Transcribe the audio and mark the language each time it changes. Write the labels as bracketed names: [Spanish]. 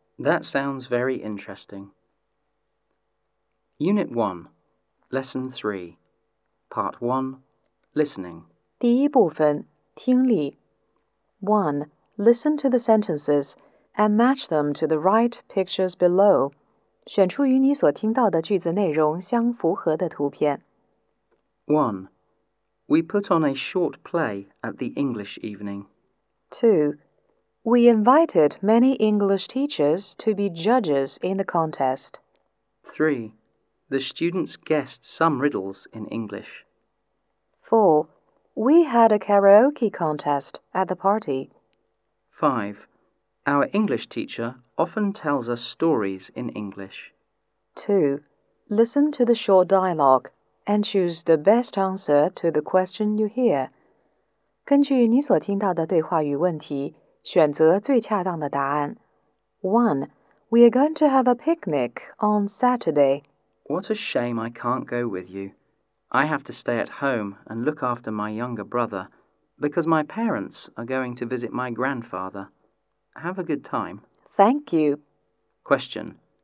[English] That sounds very interesting. Unit 1, Lesson 3, Part 1, Listening. [Chinese] 第一部分，听力。 [English] 1. Listen to the sentences and match them to the right pictures below. [Chinese] 选出与你所听到的句子内容相符合的图片。 [English] 1. We put on a short play at the English evening. 2. We invited many English teachers to be judges in the contest. 3. The students guessed some riddles in English. 4. We had a karaoke contest at the party. 5. Our English teacher often tells us stories in English. 2. Listen to the short dialogue and choose the best answer to the question you hear. [Chinese] 根据你所听到的对话与问题，选择最恰当的答案。 [English] 1. We are going to have a picnic on Saturday. What a shame I can't go with you. I have to stay at home and look after my younger brother because my parents are going to visit my grandfather. Have a good time. Thank you. Question.